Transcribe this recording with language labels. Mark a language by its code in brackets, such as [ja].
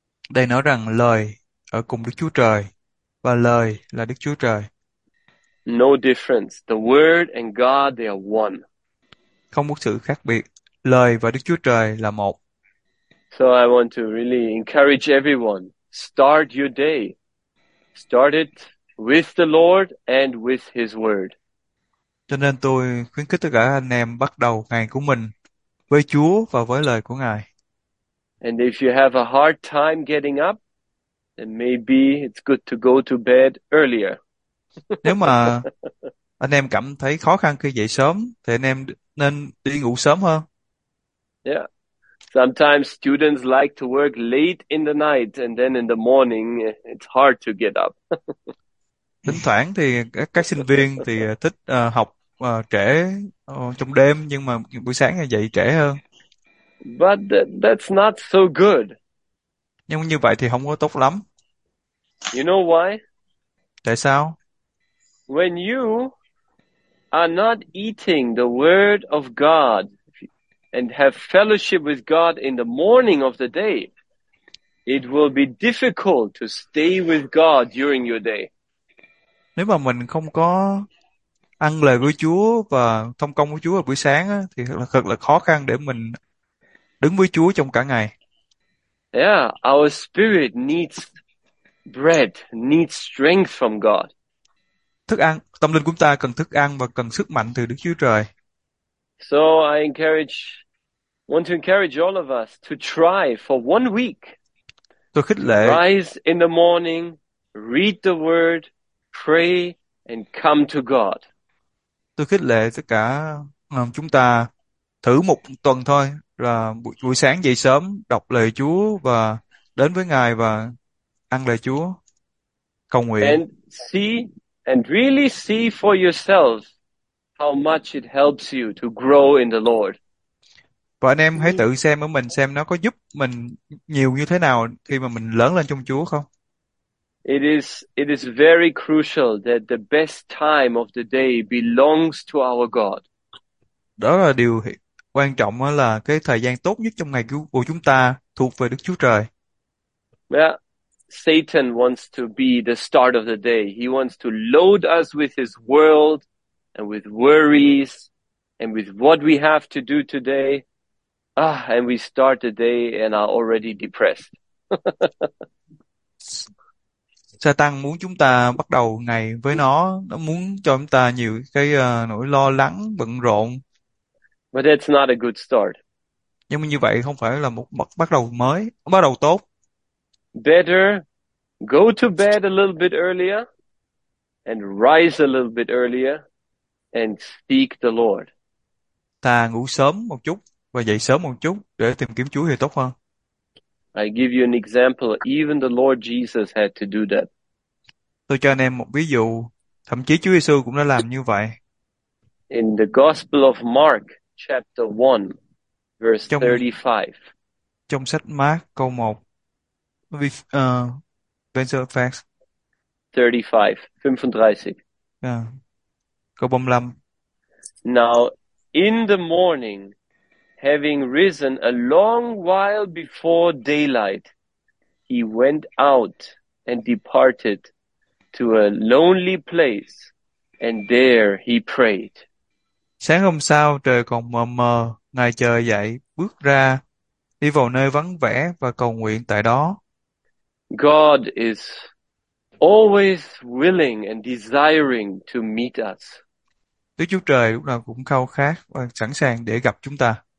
[vi] Đây nói rằng lời ở cùng Đức Chúa Trời và lời là Đức Chúa Trời. [en] No difference. The word and God, they are one. [vi] Không có sự khác biệt. Lời và Đức Chúa Trời là một. [en] So I want to really encourage everyone, start your day. Start it with the Lord and with his word. [vi] Cho nên tôi khuyến khích tất cả anh em bắt đầu ngày của mình với Chúa và với lời của Ngài. [en] And if you have a hard time getting up, then maybe it's good to go to bed earlier. [vi] Nếu mà anh em cảm thấy khó khăn khi dậy sớm thì anh em nên đi ngủ sớm hơn. [en] Sometimes students like to work late in the night and then in the morning it's [vi] Thỉnh thoảng thì các sinh viên thì [en] to [vi] thích học trễ trong đêm nhưng mà buổi sáng thì dậy trễ hơn. [en] But that's not so good. [vi] Nhưng như vậy thì không có tốt lắm. [en] You know why? [vi] Tại sao? [en] When you are not eating the word of God and have fellowship with God in the morning of the day, it will be difficult to stay with God during your day. [vi] Nếu mà mình không có ăn lời của Chúa và thông công của Chúa vào buổi sáng á, thì thật là khó khăn để mình đứng với Chúa trong cả ngày. [en] Yeah, our spirit needs bread, needs strength from God. [vi] Thức ăn, tâm linh của ta cần thức ăn và cần sức mạnh từ Đức Chúa Trời. [en] So I encourage, want to encourage all of us to try for 1 week. [vi] Tôi khích lệ [en] Rise in the morning, read the word, pray and come to God. [vi] tất cả chúng ta thử một tuần thôi, là buổi sáng dậy sớm đọc lời Chúa và đến với Ngài và ăn lời Chúa, cầu nguyện. [en] And see and really see for yourself how much it helps you to grow in the Lord. [vi] Và anh em hãy tự xem ở mình xem nó có giúp mình nhiều như thế nào khi mà mình lớn lên trong Chúa không. [en] It is very crucial that the best time of the day belongs to our God. [vi] Đó là điều quan trọng, đó là cái thời gian tốt nhất trong ngày của chúng ta thuộc về Đức Chúa Trời. [en] Satan wants to be the start of the day. He wants to load us with his world and with worries and with what we have to do today. And we start the day and are already depressed. [vi] Satan muốn chúng ta bắt đầu ngày với nó muốn cho chúng ta nhiều cái nỗi lo lắng, bận rộn. [en] But that's not a good start. [vi] Nhưng mà như vậy không phải là một bắt đầu mới, bắt đầu tốt. [en] Better go to bed a little bit earlier and rise a little bit earlier and seek the Lord. [vi] Ta ngủ sớm một chút và dậy sớm một chút để tìm kiếm Chúa thì tốt hơn. [en] I give you an example. Even the Lord Jesus had to do that. [vi] Tôi cho anh em một ví dụ, thậm chí Chúa Giêsu cũng đã làm như vậy. [en] In the Gospel of Mark, chapter 1, verse [vi] Trong [en] 35. [vi] trong sách Mark câu 1, Venture 35. Facts, câu 35. [en] Now, in the morning, having risen a long while before daylight, he went out and departed to a lonely place, and there he prayed. [vi] Sáng hôm sau trời còn mờ mờ, ngài chờ dậy, bước ra, đi vào nơi vắng vẻ và cầu nguyện tại đó. [en] God is always willing and desiring to meet us. [vi] Đức Chúa Trời lúc nào cũng khao khát và sẵn sàng để gặp chúng ta.